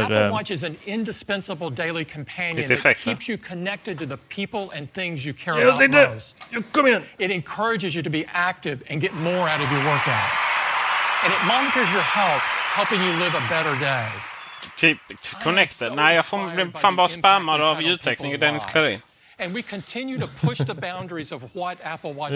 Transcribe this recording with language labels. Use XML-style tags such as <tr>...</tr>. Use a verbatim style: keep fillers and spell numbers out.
<en>Apple Watch is an indispensable daily companion that keeps you connected to the people and things you care about most.</en> <sv>Kom igen.</sv> <en>It encourages you to be active and get more out of your workouts. And it monitors your health, helping you live a better day.</en> <sv>Typ connected. Nej, jag får fan bara spammar av ljudteknik i Dennis Klarin.</sv> <en>And we continue to push the boundaries of what Apple Watch</en>